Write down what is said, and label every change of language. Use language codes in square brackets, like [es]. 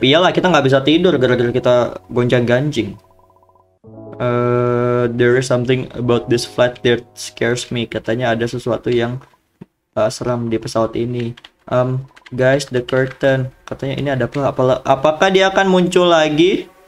[id] Iyalah, kita nggak bisa tidur gara-gara kita gonjang-ganjing. [en] There is something about this flight that scares me. [id] Katanya ada sesuatu yang seram di pesawat ini. Guys, [en] the curtain. [id] Katanya ini ada apa? Apakah dia akan muncul lagi?